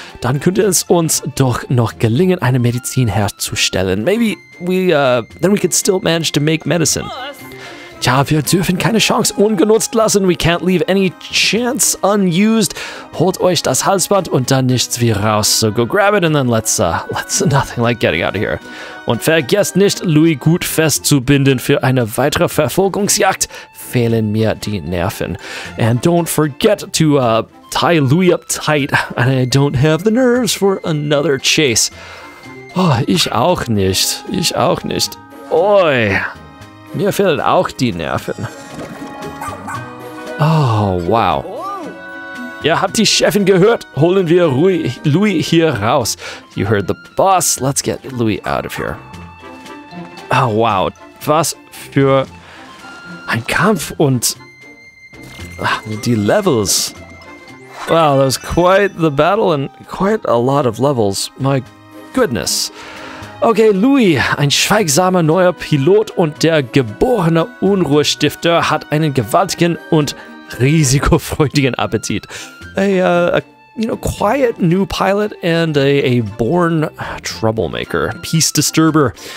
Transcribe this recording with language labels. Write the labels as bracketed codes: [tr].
[de] Dann könnte es uns doch noch gelingen, eine Medizin herzustellen. [en] Maybe we, then we could still manage to make medicine. [de] Tja, wir dürfen keine Chance ungenutzt lassen. [en] We can't leave any chance unused. [de] Holt euch das Halsband und dann nichts wie raus. [en] So go grab it and then let's nothing like getting out of here. [de] Und vergesst nicht, Louis gut festzubinden für eine weitere Verfolgungsjagd. Fehlen mir die Nerven. [en] And don't forget to tie Louis up tight. And I don't have the nerves for another chase. [de] Oh, ich auch nicht. Ich auch nicht. Oi. Mir fehlen auch die Nerven. Oh, wow. Ihr habt die Chefin gehört. Holen wir Louis hier raus. [en] You heard the boss. Let's get Louis out of here. Oh, wow. [de] Was für ein Kampf und die Levels. [en] Wow, that was quite the battle and quite a lot of levels. My goodness. [de] Okay, Louis, ein schweigsamer neuer Pilot und der geborene Unruhestifter hat einen gewaltigen und risikofreudigen Appetit. [en] A quiet new pilot and a born troublemaker, peace disturber.